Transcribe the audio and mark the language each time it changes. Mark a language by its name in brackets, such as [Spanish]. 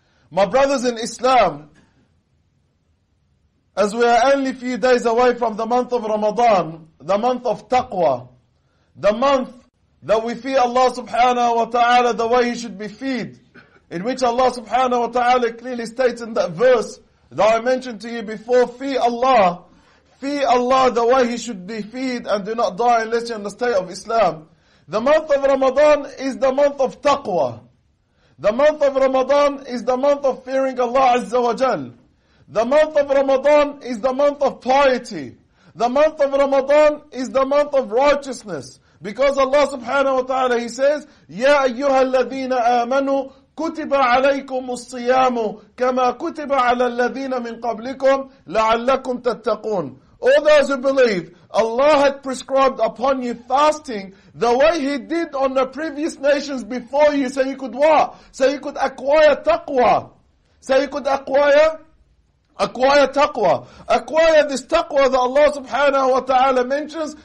[English] My brothers in Islam, as we are only a few days away from the month of Ramadan, the month of taqwa, the month that we fear Allah subhanahu wa ta'ala the way He should be feared, in which Allah subhanahu wa ta'ala clearly states in that verse that I mentioned to you before, fear Allah the way He should be feared, and do not die unless you're on the state of Islam. The month of Ramadan is the month of taqwa. The month of Ramadan is the month of fearing Allah Azza wa Jal. The month of Ramadan is the month of piety. The month of Ramadan is the month of righteousness. Because Allah subhanahu wa ta'ala, He says, [Arabic] يَا أَيُّهَا الَّذِينَ آمَنُوا كُتِبَ عَلَيْكُمُ الصِّيَامُ كَمَا كُتِبَ عَلَى الَّذِينَ مِنْ قَبْلِكُمْ لَعَلَّكُمْ تَتَّقُونَ. [English] All those who believe, Allah had prescribed upon you fasting the way He did on the previous nations before you, so you could what? So you could acquire taqwa. So you could acquire taqwa. Acquire this taqwa that Allah subhanahu wa ta'ala mentions.